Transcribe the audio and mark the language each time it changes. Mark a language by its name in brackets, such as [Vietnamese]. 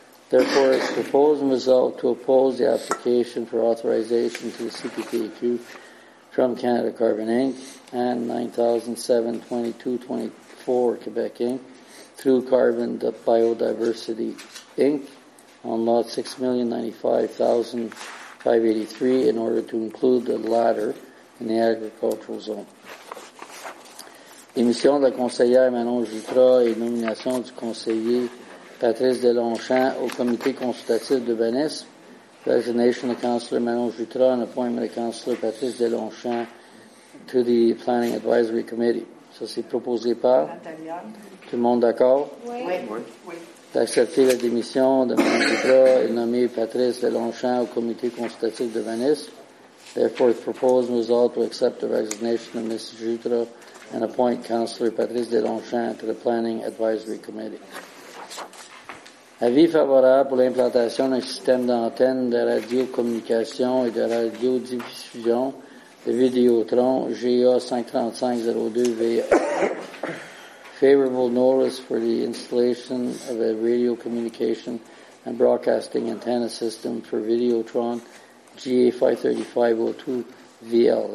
[English] Therefore, it's proposed and resolved to oppose the application for authorization to the CPTAQ from Canada Carbon Inc. and 9,072,224 Quebec Inc. through Carbon Biodiversity Inc. on lot 6,095,583 in order to include the latter in the agricultural zone. [French] Démission de la conseillère Manon Jutra et nomination du conseiller Patrice Delonchamp au comité consultatif d'urbanisme. [English] Resignation of Councillor Manon Jutra and appointment of Councillor Patrice Delonchamp to the Planning Advisory Committee. [French] Ça, c'est proposé par? Nathalie. Tout le monde d'accord? Oui. D'accepter la démission de Manon Jutra et nommer Patrice Delonchamp au comité consultatif d'urbanisme. [English] Therefore, it's proposed and resolved to accept the resignation of Mrs. Jutra and appoint Councillor Patrice Delonchamp to the Planning Advisory Committee. [French] Avis favorable pour l'implantation d'un système d'antenne de radiocommunication et de radiodiffusion de Vidéotron GA53502VA. [English] Favorable notice for the installation of a radio communication and broadcasting antenna system for Vidéotron GA53502VL.